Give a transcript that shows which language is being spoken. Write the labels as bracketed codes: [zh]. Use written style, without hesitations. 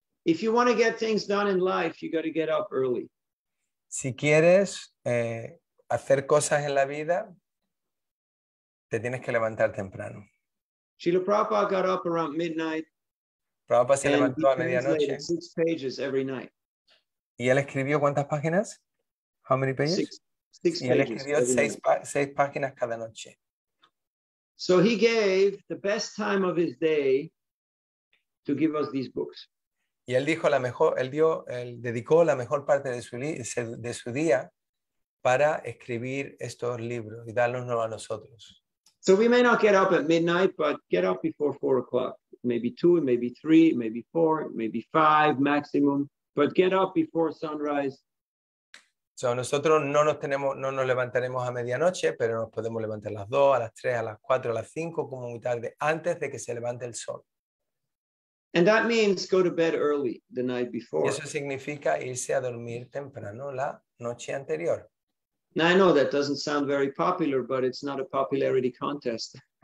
[en] If you want to get things done in life, you got to get up early. [es] Si quieres hacer cosas en la vida, te tienes que levantar temprano. [en] Srila Prabhupada got up around midnight. [es] Prabhupada se levantó a medianoche. [en] Six pages every night. [es] ¿Y él escribió cuántas páginas? [en] How many pages? Six [es] y él escribió seis páginas cada noche. [en] So he gave the best time of his day to give us these books. [es] Y él dijo la mejor, él dedicó la mejor parte de su día para escribir estos libros y dárnoslo a nosotros. [en] So we may not get up at midnight, but get up before 4 o'clock. Maybe 2, maybe 3, maybe 4, maybe 5 maximum. But get up before sunrise. [es] So nosotros no nos levantaremos a medianoche, pero nos podemos levantar a las 2, a las 3, a las 4, a las 5, como muy tarde, antes de que se levante el sol. [en] And that means go to bed early the night before. [es] Y eso significa irse a dormir temprano la noche anterior. [en] Now I know that doesn't sound very popular, but it's not a popularity contest.